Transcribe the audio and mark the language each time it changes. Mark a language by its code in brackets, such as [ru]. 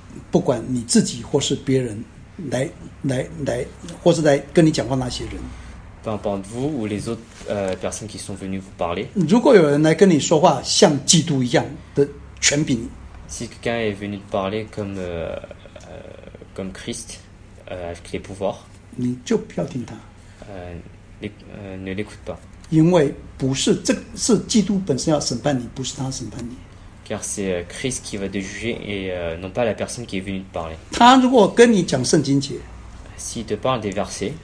[zh] 不管你自己或是别人来或是来跟你讲话那些人。 [fr] Peu importe vous ou les autres personnes qui sont venues vous parler. [zh] 如果有人来跟你说话, 像基督一样的权柄, [fr] si quelqu'un est venu te parler comme, comme Christ, avec les pouvoirs, [zh] 你就不要听他, [fr] ne l'écoute pas. [zh] 因为不是基督本身要审判你, 不是他审判你。 [fr] Car c'est Christ qui va te juger et non pas la personne qui est venue te parler. [zh] 他如果跟你讲圣经节, [fr] s'il te parle des versets,